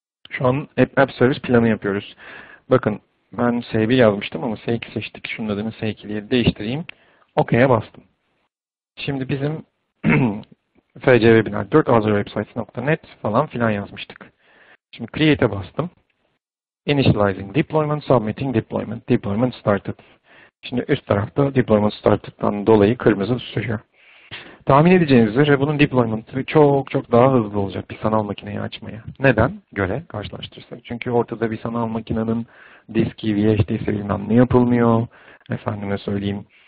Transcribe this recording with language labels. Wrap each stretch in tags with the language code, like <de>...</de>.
<tr>Şu an App Service planı yapıyoruz. Bakın ben S1 yazmıştım ama S2 seçtik. Şunun adını S2 diye değiştireyim. OK'ya bastım. Şimdi bizim fcwebinar4 azurewebsites.net falan filan yazmıştık. Şimdi Create'e bastım.</tr> <en>Initializing deployment, submitting deployment, deployment started.</en> <tr>Şimdi üst tarafta deployment started'dan dolayı kırmızı tutuyor. Tahmin edeceğiniz üzere bunun deployment'ı çok çok daha hızlı olacak bir sanal makineyi açmaya. Neden? Göre karşılaştırsak. Çünkü ortada bir sanal makinenin diski, VHD'si bilmem ne yapılmıyor. Efendime söyleyeyim.</tr>